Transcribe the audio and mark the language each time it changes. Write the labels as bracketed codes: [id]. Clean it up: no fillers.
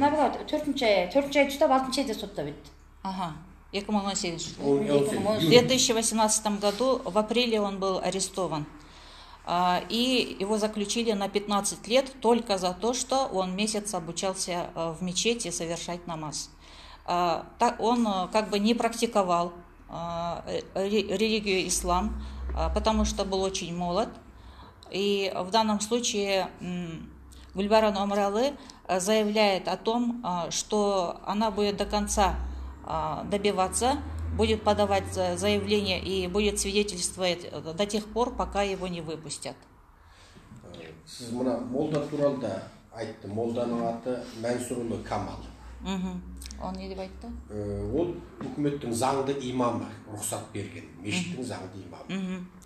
[kk] Мына бала 4-ші ай тұстап, 6-ші айда соттап өтті. [ru] Ага. [kk] 2018 жылы. [ru] В 2018 году в апреле он был арестован. И его заключили на 15 лет только за то, что он месяц обучался в мечети совершать намаз. Так он как бы не практиковал религию ислам, потому что был очень молод. И в данном случае Гүлбаран Өмірәлі заявляет о том, что она будет до конца добиваться, будет подавать заявление и будет свидетельствовать до тех пор, пока его не выпустят. [kk] Сіз мына молда туралы да айтты. Молданың аты Мансурұлы Камал. Он не деп айтты? Ол үкіметтің заңды имамы рұқсат берген, мешіттің заңды имамы.